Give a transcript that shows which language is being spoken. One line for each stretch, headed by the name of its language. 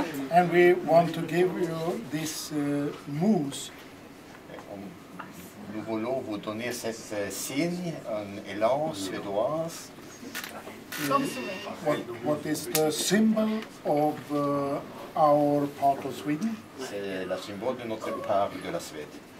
English: And we want to give you this mousse.
French: Nous voulons vous donner cette signe, un élan suédoise.
English: What is the symbol of our part of Sweden?
French: C'est la symbole de notre part de la Suède.